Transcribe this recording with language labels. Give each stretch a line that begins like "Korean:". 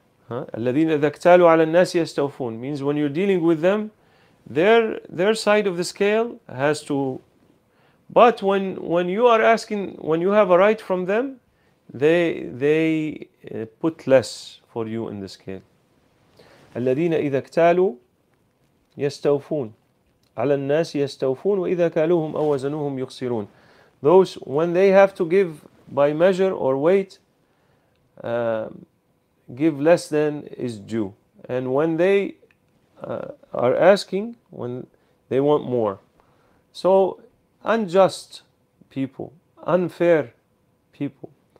Arabic: الَّذِينَ إِذَا اكْتَالُوا عَلَى النَّاسِ يَسْتَوْفُونَ
English: means when you're dealing with them, Their side of the scale has to, but when you are asking, when you have a right from them, they put less for you in the scale.
Arabic: الذين إذا اكتالوا يستوفون على الناس يستوفون وإذا كالوهم أو وزنوهم يخسرون.
English: Those when they have to give by measure or weight, give less than is due, and when they are asking, when they want more. So unjust people, unfair people.